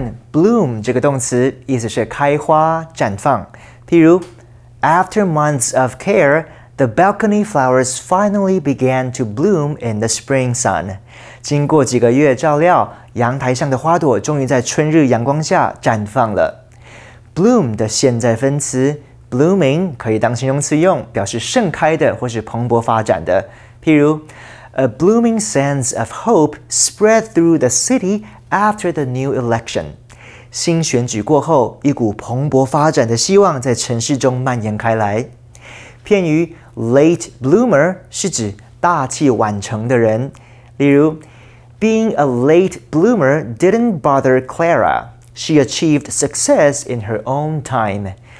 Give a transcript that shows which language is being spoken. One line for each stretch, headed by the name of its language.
Chinese: Bloom 这个动词意思是开花绽放。譬如
English: After months of care, the balcony flowers finally began to bloom in the spring sun.
Chinese: 经过几个月照料，阳台上的花朵终于在春日阳光下绽放了。 Bloom 的现在分词 blooming 可以当形容词用，表示盛开的或是蓬勃发展的。譬如
English: A blooming sense of hope spread through the city after the new election.
Chinese: 新选举过后，一股蓬勃发展的希望在城市中蔓延开来。片语 late bloomer 是指大器晚成的人。例如
English: ,being a late bloomer didn't bother Clara. She achieved success in her own time.